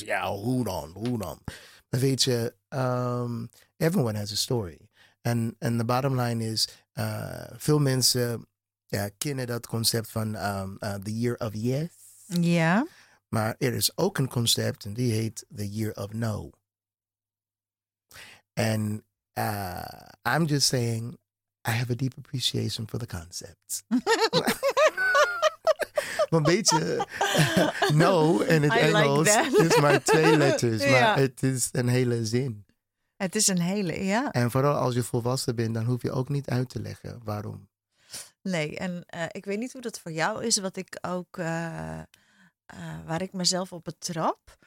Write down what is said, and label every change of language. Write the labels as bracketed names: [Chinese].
[Dutch] Ja, hoe dan, hoe dan? Maar weet je, [English] everyone has a story. En the bottom line is, [Dutch] veel mensen kennen dat concept van [English] the year of yes. [Dutch] Ja. Yeah. Maar er is ook een concept en die heet [English] the year of no. En I'm just saying, I have a deep appreciation for the concept. [Dutch] Maar weet je, no in het Engels is maar 2 letters, yeah. Maar het is een hele zin. Het is een hele, ja. En vooral als je volwassen bent, dan hoef je ook niet uit te leggen waarom. Nee, en ik weet niet hoe dat voor jou is, wat ik ook, waar ik mezelf op betrap.